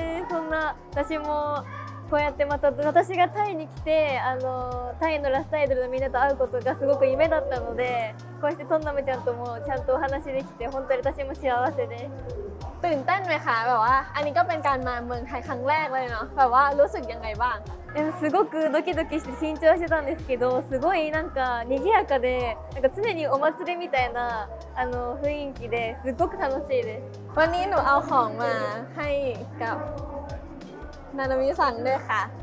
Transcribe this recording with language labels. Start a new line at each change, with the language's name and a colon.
Japanese: そんな私もこうやってまた私がタイに来てタイのラスアイドルのみんなと会うことがすごく夢だったのでこうしてトンナムちゃんともちゃんとお話できて本当に私も幸せです
Thai: ตื่นเต้นไหมคะแบบว่าอันนี้ก็เป็นการมาเมืองไทยครั้งแรกเลยเนาะแบบว่ารู้สึกยังไงบ้าง
Japanese: すごくドキドキして緊張してたんですけどすごいなんか賑やかでなんか常にお祭りみたいな雰囲気ですごく楽しいです
Thai: วันนี้หนูเอาของมาให้กับนานามิสั่งด้วยค่ะ